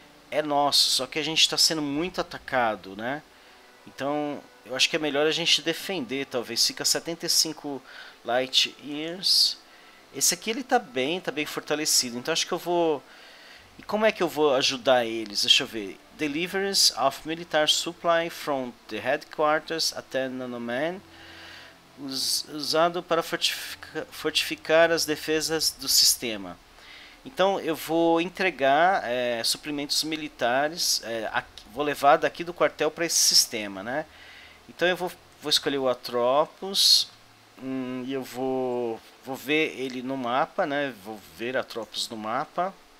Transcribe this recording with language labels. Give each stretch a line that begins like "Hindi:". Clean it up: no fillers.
Portuguese: É nosso, só que a gente está sendo muito atacado, né? Então, eu acho que é melhor a gente defender, talvez. Fica 75 light years. Esse aqui ele tá bem fortalecido. Então acho que eu vou. E como é que eu vou ajudar eles? Deixa eu ver.
English: Deliveries of military supply from the headquarters at Nanoman,
Portuguese: usado para fortificar as defesas do sistema. Então eu vou entregar suplementos militares, vou levar daqui do quartel para esse sistema, né? Então eu vou escolher o Atropos, e eu vou ver ele no mapa, né? Vou ver Atropos no mapa.